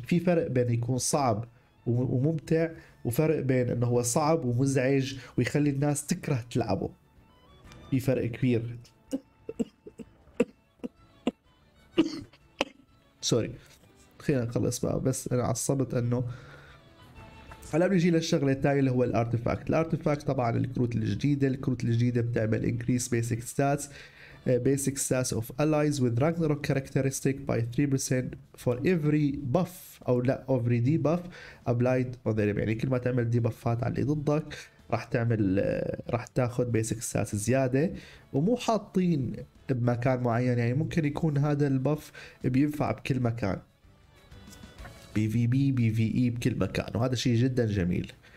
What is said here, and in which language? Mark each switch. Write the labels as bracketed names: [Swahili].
[Arabic] في فرق بين يكون صعب وممتع، وفرق بين انه هو صعب ومزعج ويخلي الناس تكره تلعبه، في فرق كبير. سوري خلينا نخلص بقى، بس انا عصبت انه هلا بيجي للشغله الثانيه اللي هو الارتيفاكت. الارتيفاكت طبعا الكروت الجديده، الكروت الجديده بتعمل [English] increase basic stats basic stats of allies with Ragnarok characteristic by 3% for every buff [Arabic] او لا [English] every debuff applied on them. [Arabic] يعني كل ما تعمل debuffات على اللي ضدك راح تعمل راح تاخذ basic stats زياده، ومو حاطين بمكان معين، يعني ممكن يكون هذا البف بينفع بكل مكان، بي في بي بي في اي بكل مكان، وهذا شيء جدا جميل.